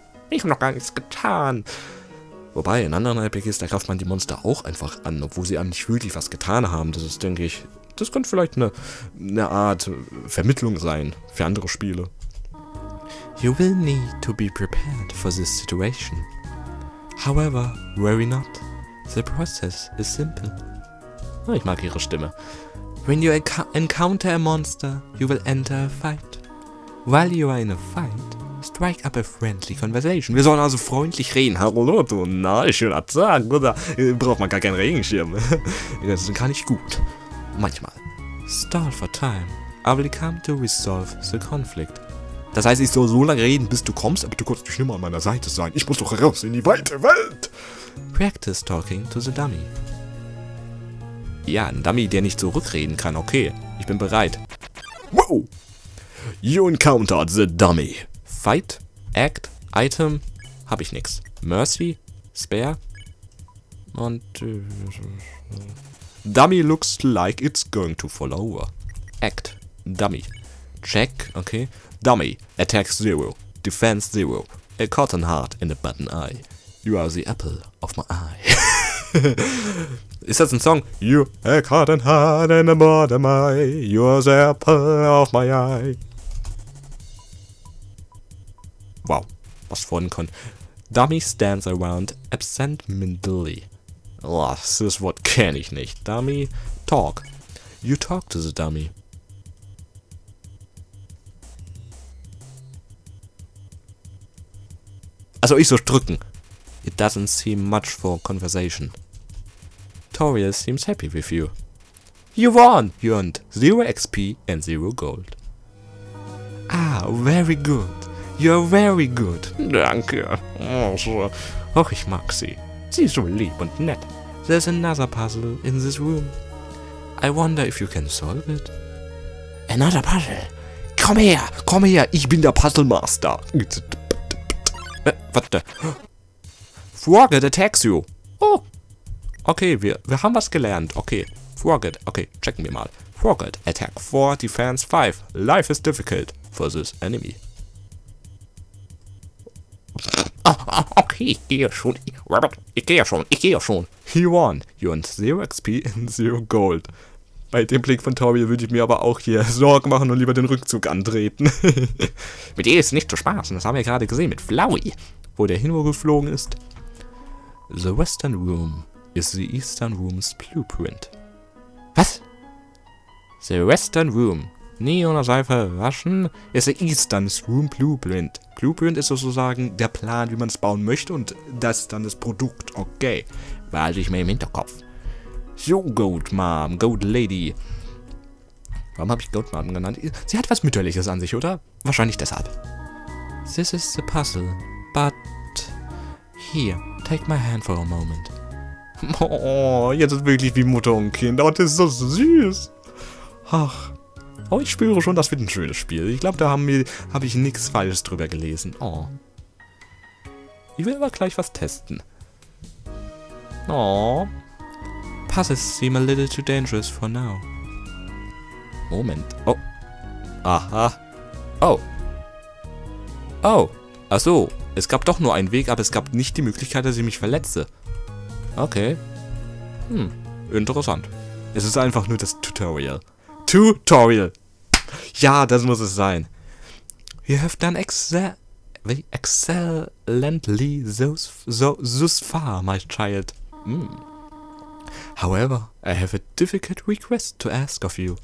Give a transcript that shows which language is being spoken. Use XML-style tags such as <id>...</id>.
<de>Ich hab noch gar nichts getan. Wobei, in anderen RPGs, da greift man die Monster auch einfach an, obwohl sie einem nicht wirklich was getan haben. Das ist, denke ich, das könnte vielleicht eine Art Vermittlung sein für andere Spiele.</de> <en>You will need to be prepared for this situation. However, worry not. The process is simple.</en> <de>Oh, ich mag ihre Stimme.</de> <en>When you encounter a monster, you will enter a fight. While you are in a fight, strike up a friendly conversation.</en> <de>Wir sollen also freundlich reden. Hallo, du. Na, ich will das sagen, oder? Braucht man gar keinen Regenschirm. Das ist gar nicht gut. Manchmal.</de> <en>Stall for time. I will come to resolve the conflict.</en> <de>Das heißt, ich soll so lange reden, bis du kommst, aber du kannst nicht mehr an meiner Seite sein. Ich muss doch raus in die weite Welt. Practice talking to the dummy. Ja, ein Dummy, der nicht zurückreden kann. Okay, ich bin bereit.</de> <en>Wow! You encountered the dummy.</en> <de>Fight, Act, Item, hab ich nix. Mercy, Spare, und...</de> <en>Dummy looks like it's going to fall over. Act, Dummy. Check, okay. Dummy, Attack 0, Defense 0, a cotton heart and a button eye. You are the apple of my eye.</en> <de>Ist das ein Song?</de> <en>You a cotton heart and a button eye. You are the apple of my eye.</en> <de>Wow, was vorhin kann.</de> <en>Dummy stands around absentmindedly.</en> <de>Das ist Wort kenne ich nicht.</de> <en>Dummy, talk. You talk to the dummy.</en> <de>Also ich soll drücken.</de> <en>It doesn't seem much for conversation. Toriel seems happy with you. You won! You earned 0 XP and 0 gold. Ah, very good. You're very good.</en> <de>Danke. Och, ich mag sie. Sie ist so lieb und nett.</de> <en>There's another puzzle in this room. I wonder if you can solve it. Another puzzle.</en> <de>Komm her, komm her. Ich bin der Puzzle Master. Warte.</de> <en>Forget attacks you. Oh.</en> <de>Okay, wir haben was gelernt. Okay. Forget. Okay, checken wir mal.</de> <en>Forget attack 4, defense 5. Life is difficult for this enemy.</en> <de>Okay, ich gehe schon. Ich gehe schon.</de> <en>He won. You earned 0 XP and 0 gold.</en> <de>Bei dem Blick von Tobi würde ich mir aber auch hier Sorgen machen und lieber den Rückzug antreten. Mit ihr ist nicht zu spaßen. Das haben wir gerade gesehen mit Flowey. Wo der hin geflogen ist.</de> <en>The Western Room is the Eastern Room's blueprint.</en> <de>Was?</de> <en>The Western Room.</en> <de>Nie ohne Seife waschen. Ist</de> <en>the Eastern's Room Blueprint.</en> <de>Blueprint ist sozusagen der Plan, wie man es bauen möchte. Und das ist dann das Produkt. Okay. Behalte ich mir im Hinterkopf. So, Goat Mom. Goat Lady. Warum habe ich Goat Mom genannt? Sie hat was Mütterliches an sich, oder? Wahrscheinlich deshalb.</de> <en>This is the puzzle. But... Here. Take my hand for a moment.</en> <de>Oh, jetzt ist wirklich wie Mutter und Kind. Oh, das ist so süß. Ach. Oh, ich spüre schon, das wird ein schönes Spiel. Ich glaube, da habe ich nichts Falsches drüber gelesen. Oh. Ich will aber gleich was testen. Oh.</de> <en>Puzzles seem a little too dangerous for now.</en> <de>Moment. Oh. Aha. Oh. Oh. Ach so. Es gab doch nur einen Weg, aber es gab nicht die Möglichkeit, dass ich mich verletze. Okay. Hm. Interessant. Es ist einfach nur das Tutorial. Tutorial! Ja, das muss es sein.</de> <en>You have done excellently thus far, my child. Mm. However, I have a difficult request to ask of you.</en>